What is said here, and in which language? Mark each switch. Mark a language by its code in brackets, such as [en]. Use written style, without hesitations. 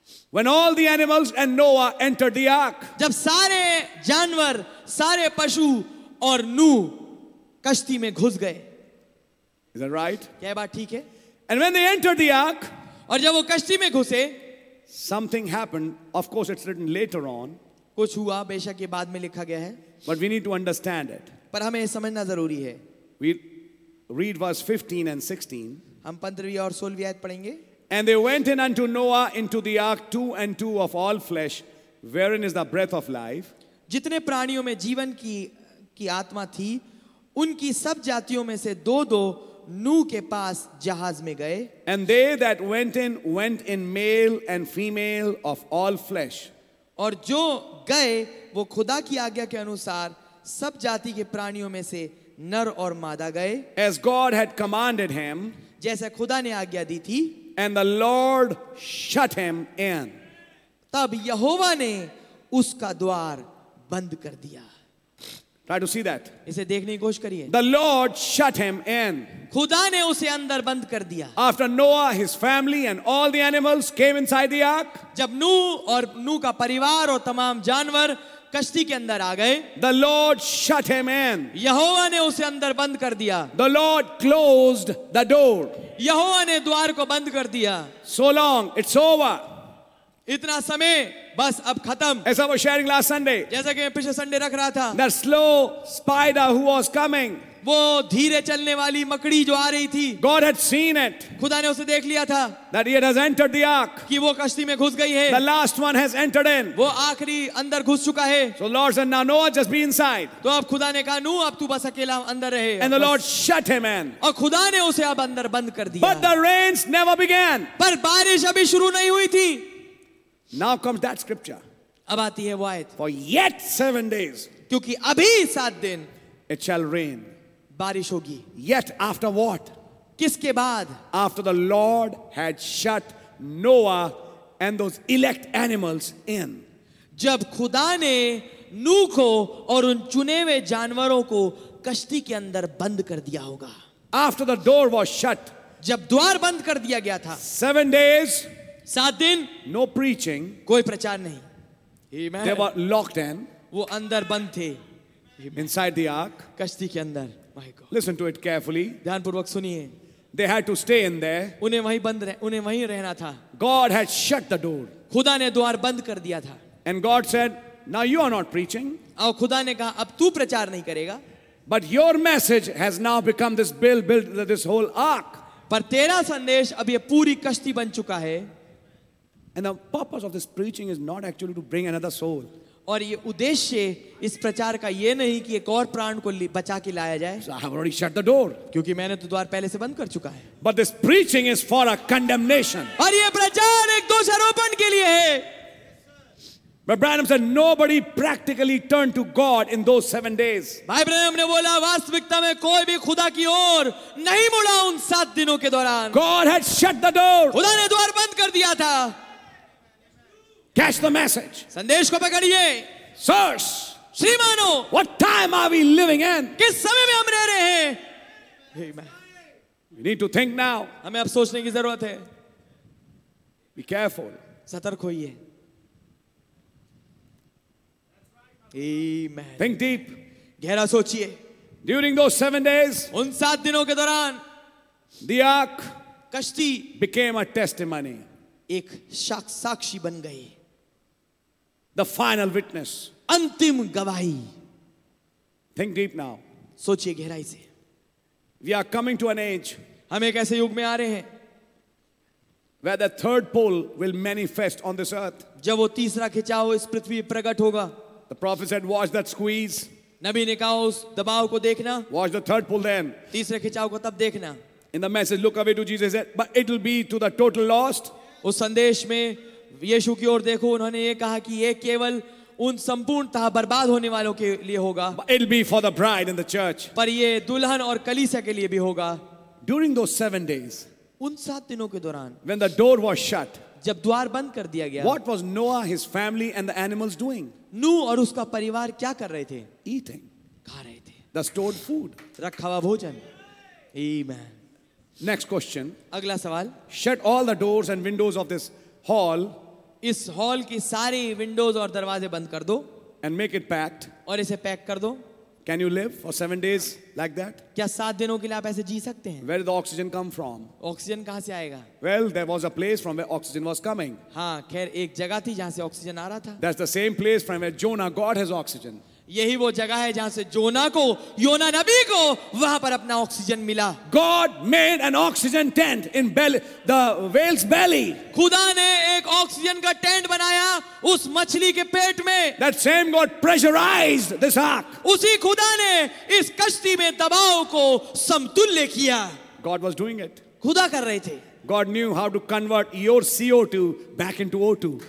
[en] When all the animals and Noah entered the ark. [hi] जब सारे जानवर, सारे पशु और नूह कश्ती में घुस गए. [en] Is that right? [hi] क्या बात ठीक है? [en] And when they entered the ark. [hi] और जब वो कश्ती में घुसे. [en] Something happened. Of course, it's written later on. [hi] कुछ हुआ बेशक ये बाद में लिखा गया है. [en] But we need to understand it. [hi] पर हमें समझना जरूरी है. [en] We read verse 15 and 16. [hi] हम 15वीं और 16वीं आयत पढ़ेंगे. [en] And they went in unto Noah into the ark, two and two of all flesh, wherein is the breath of life. [hi] जितने प्राणियों में जीवन की आत्मा थी, उनकी सब जातियों में से दो-दो नूह के पास जहाज में गए. [en] And they that went in male and female of all flesh. [hi] और जो गए वो खुदा की आज्ञा के अनुसार सब जाति के प्राणियों में से नर और मादा गए. [en] As God had commanded him. [hi] जैसे खुदा ने आज्ञा दी थी. [en] And the Lord shut him in. [hi] तब यहोवा ने उसका द्वार बंद कर दिया. [en] Try to see that. [hi] इसे देखने की कोशिश करिए. [en] The Lord shut him in. [hi] खुदा ने उसे अंदर बंद कर दिया. [en] After Noah, his family and all the animals came inside the ark. [hi] जब नूह और नूह का परिवार और तमाम जानवर कश्ती के अंदर आ गए. [en] The Lord shut him in. [hi] यहोवा ने उसे अंदर बंद कर दिया. [en] The Lord closed the door. [hi] यहोवा ने द्वार को बंद कर दिया. [en] So long, it's over. [hi] इतना समय बस अब खत्म. [en] As I was sharing last Sunday. [hi] जैसा कि मैं पिछले संडे रख रहा था. [en] The slow spider who was coming. [hi] वो धीरे चलने वाली मकड़ी जो आ रही थी. [en] God had seen it. [hi] खुदा ने उसे देख लिया था. [en] That it has entered the ark. [hi] कि वो कश्ती में घुस गई है. [en] The last one has entered in. [hi] वो आखरी अंदर घुस चुका है. [en] So Lord said, now Noah just be inside. [hi] तो अब खुदा ने कहा नूह अब तू बस अकेला अंदर रहे. [en] And the Lord shut him in. [hi] और खुदा ने उसे अब अंदर बंद कर दिया. [en] But the rains never began. [hi] पर बारिश अभी शुरू नहीं हुई थी. [en] Now comes that scripture. [hi] अब आती है वो आयत. [en] For yet 7 days. [hi] क्योंकि अभी सात दिन. [en] It shall rain. [hi] बारिश होगी. [en] Yet after what? [hi] किसके बाद? [en] After the Lord had shut Noah and those elect animals in. [hi] जब खुदा ने नूह को और उन चुने हुए जानवरों को कश्ती के अंदर बंद कर दिया होगा. [en] After the door was shut. [hi] जब द्वार बंद कर दिया गया था. [en] 7 days. [hi] सात दिन. [en] No preaching. [hi] कोई प्रचार नहीं. [en] Amen. They were locked in. [hi] वो अंदर बंद थे. [en] Amen. Inside the ark. [hi] कश्ती के अंदर. [en] Listen to it carefully. [hi] ध्यान पूर्वक सुनिए. [en] They had to stay in there. [hi] उन्हें वहीं बंद रहे. उन्हें वहीं रहना था. [en] God had shut the door. [hi] खुदा ने द्वार बंद कर दिया था. [en] And God said, now you are not preaching. [hi] और खुदा ने कहा अब तू प्रचार नहीं करेगा. [en] But your message has now become this built this whole ark. [hi] पर तेरा संदेश अब ये पूरी कश्ती बन चुका है. [en] And the purpose of this preaching is not actually to bring another soul. [hi] और ये उद्देश्य इस प्रचार का ये नहीं कि एक और प्राण को बचा के लाया जाए. [en] So I have already shut the door. [hi] क्योंकि मैंने तो द्वार पहले से बंद कर चुका है. [en] But this preaching is for a condemnation. [hi] और ये प्रचार एक दोषारोपण के लिए है. [en] But Branham said nobody practically turned to God in those 7 days. [hi] भाई ब्रैनम ने बोला वास्तविकता में कोई भी खुदा की ओर नहीं मुड़ा उन सात दिनों के दौरान. [en] God had shut the door. [hi] खुदा ने द्वार बंद कर दिया था. [en] Catch the message. [hi] संदेश को पकड़िए. [en] Sirs, [hi] श्रीमानो, [en] what time are we living in? [hi] किस समय में हम रह रहे हैं? [en] Amen. We need to think now. [hi] हमें अब सोचने की जरूरत है. [en] Be careful. [hi] सतर्क होइए. [en] Amen. Think deep. [hi] गहरा सोचिए. [en] During those 7 days, [hi] उन 7 दिनों के दौरान, [en] the ark [hi] कश्ती [en] became a testimony, [hi] एक साक्षी बन गई. [en] The final witness, [hi] अंतिम गवाही. [en] Think deep now, [hi] सोचिए गहराई से. [en] We are coming to an age, [hi] हम एक ऐसे युग में आ रहे हैं, [en] where the third pole will manifest on this earth, [hi] जब वो तीसरा खिंचाव इस पृथ्वी पर प्रकट होगा. [en] The prophet said, watch that squeeze. [hi] नबी ने कहा उस दबाव को देखना. [en] Watch the third pull then. [hi] तीसरे खिंचाव को तब देखना. [en] In the message, look away to Jesus. But it will be to the total lost. [hi] उस संदेश में यीशु की ओर देखो. उन्होंने ये कहा कि ये केवल उन संपूर्णतः बर्बाद होने वालों के लिए होगा. [en] But it'll be for the bride and the church. [hi] पर ये दुल्हन और कलीसिया के लिए भी होगा. [en] During those 7 days, [hi] उन 7 दिनों के दौरान, [en] when the door was shut, [hi] जब द्वार बंद कर दिया गया, [en] what was Noah, his family, and the animals doing? [hi] नूह और उसका परिवार क्या कर रहे थे? [en] Eating. [hi] खा रहे थे. [en] The stored food. [hi] रखा हुआ भोजन. Amen. [en] Next question. [hi] अगला सवाल. [en] Shut all the doors and windows of this hall. [hi] इस हॉल की सारी विंडोज और दरवाजे बंद कर दो. [en] And make it packed. [hi] और इसे पैक कर दो. [en] Can you live for 7 days like that? [hi] क्या 7 दिनों के लिए आप ऐसे जी सकते हैं? [en] Where did the oxygen come from? [hi] Oxygen कहाँ से आएगा? [en] Well, there was a place from where oxygen was coming. [hi] हाँ, खैर एक जगह थी जहाँ से ऑक्सीजन आ रहा था. [en] That's the same place from where Jonah got his oxygen. [hi] यही वो जगह है जहाँ से जोना को, योना नबी को, वहाँ पर अपना ऑक्सीजन मिला. [en] God made an oxygen tent in the whale's belly. [hi] खुदा ने एक ऑक्सीजन का टेंट बनाया उस मछली के पेट में. [en] That same God pressurized this ark. [hi] उसी खुदा ने इस कश्ती में दबाव को समतुल्य किया. [en] God was doing it. [hi] खुदा कर रहे थे. [en] God knew how to convert your CO2 back into O2.